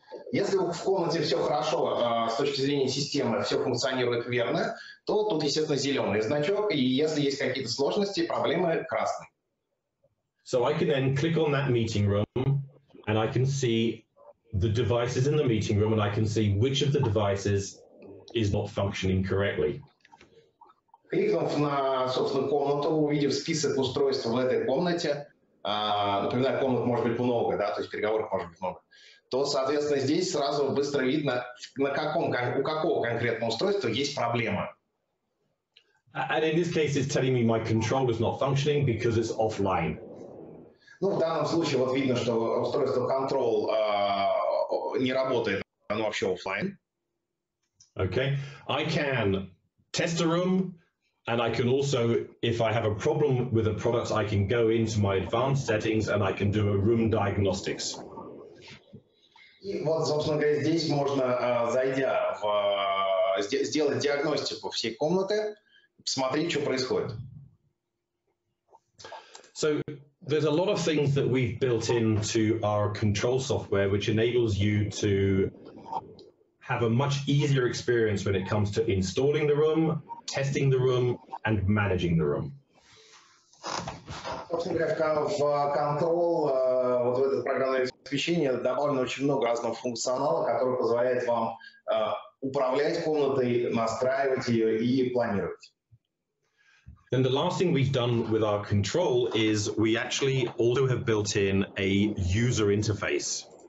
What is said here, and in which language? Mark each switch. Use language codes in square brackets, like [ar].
[ru] Если в комнате все хорошо, с точки зрения системы, все функционирует верно, то тут, естественно, зеленый значок, и если есть какие-то сложности, проблемы – красный. [en] So I can then click on that meeting room, and I can see the devices in the meeting room, and I can see which of the devices is not functioning correctly. [ru] Кликнув на, собственно, комнату, увидев список устройств в этой комнате, например, комнат может быть много, да, то есть переговоров может быть много, то, соответственно, здесь сразу быстро видно, на каком, у какого конкретного устройства есть проблема. [en] And in this case, it's telling me my control is not functioning because it's offline. [ru] Ну, в данном случае вот видно, что устройство control не работает, оно вообще offline. [en] Okay, I can test a room, and I can also, if I have a problem with a product, I can go into my advanced settings and I can do a room diagnostics. [ru] И вот, собственно говоря, здесь можно, зайдя в, сделать диагностику всей комнаты, посмотреть, что происходит. [en] So, there's a lot of things that we've built into our control software, which enables you to have a much easier experience when it comes to installing the room, testing the room, and managing the room. [ru] В control, вот в этот программное обеспечение добавлено очень много разного функционала, который позволяет вам управлять комнатой, настраивать ее и планировать. [en] And the last thing we've done with our control is we actually also have built in a user interface.